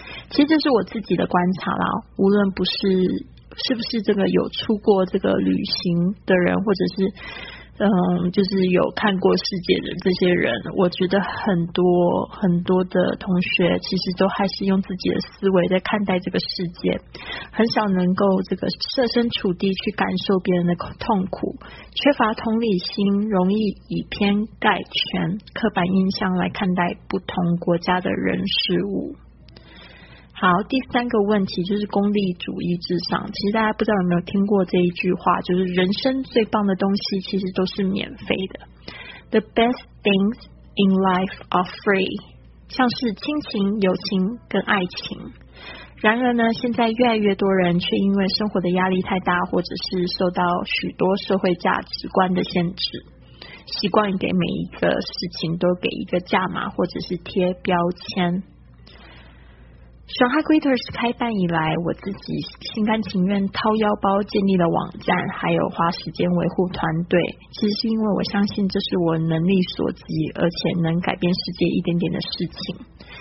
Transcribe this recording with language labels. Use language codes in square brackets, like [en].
[zh] 其实这是我自己的观察啦，无论不是是不是这个有出过这个旅行的人，或者是就是有看过世界的这些人，我觉得很多很多的同学其实都还是用自己的思维在看待这个世界，很少能够这个设身处地去感受别人的痛苦，缺乏同理心，容易以偏概全、刻板印象来看待不同国家的人事物。好，第三个问题就是功利主义至上。其实大家不知道有没有听过这一句话，就是人生最棒的东西其实都是免费的。 [en] The best things in life are free， [zh] 像是亲情、友情跟爱情。然而呢，现在越来越多人却因为生活的压力太大，或者是受到许多社会价值观的限制，习惯给每一个事情都给一个价码，或者是贴标签。熊哈 Greeters 开办以来，我自己心甘情愿掏腰包建立了网站，还有花时间维护团队，其实是因为我相信这是我能力所及，而且能改变世界一点点的事情。